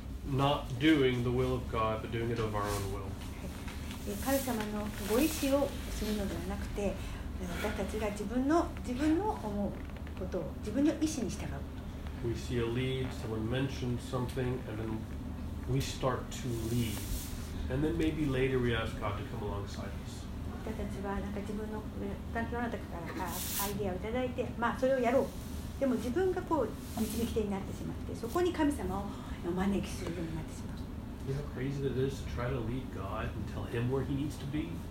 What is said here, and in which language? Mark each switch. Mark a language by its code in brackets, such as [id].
[en] Not doing the will of God, but doing it of our own will. [ja] 神様のご意思をするのではなくて。私たちが自分の思うことを自分の意思に従うこと。 [en] We see a lead, someone mentions something, and then we start to lead. And then maybe later we ask God to come alongside us. [ja] 私たちはなんか自分の担当の方からアイデアをいただいて、それをやろう。でも自分がこう導き手になってしまって、そこに神様をお招きするようになってしまう。 [en] You know how crazy it is to try to lead God and tell Him where He needs to be?